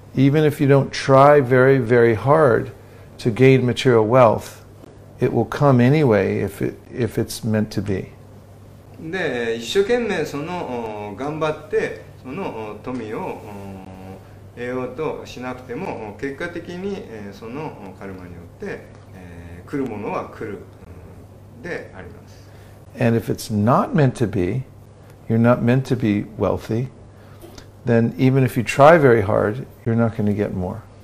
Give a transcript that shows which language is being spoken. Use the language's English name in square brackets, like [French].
[English] Even if you don't try very very hard to gain material wealth, it will come anyway if it's meant to be. [Japanese] で一生懸命その頑張ってその富を得ようとしなくても結果的にそのカルマによって来るものは来るであります。 [English] And if it's not meant to be, you're not meant to be wealthy, then even if you try very hard, you're not going to get more.